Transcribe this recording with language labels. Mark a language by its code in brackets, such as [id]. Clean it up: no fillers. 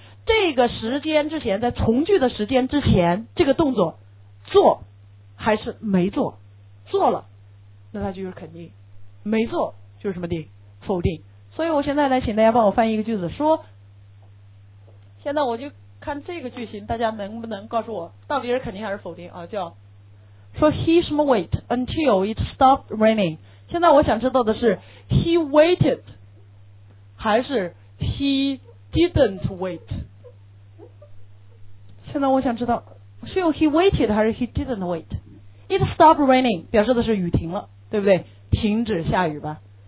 [zh] 这个时间之前，在从句的时间之前，这个动作做还是没做？做了，那它就是肯定；没做就是什么定？否定。所以我现在来请大家帮我翻译一个句子，说现在我就看这个句型，大家能不能告诉我到底是肯定还是否定啊？叫说 [en] he should wait until it stopped raining。 [zh] 现在我想知道的是 [en] he waited [zh] 还是 [en] he didn't wait？ [zh] 现在我想知道是用 [en] he waited [zh] 还是 [en] he didn't wait。 It stopped raining [zh] 表示的是雨停了，对不对？停止下雨吧。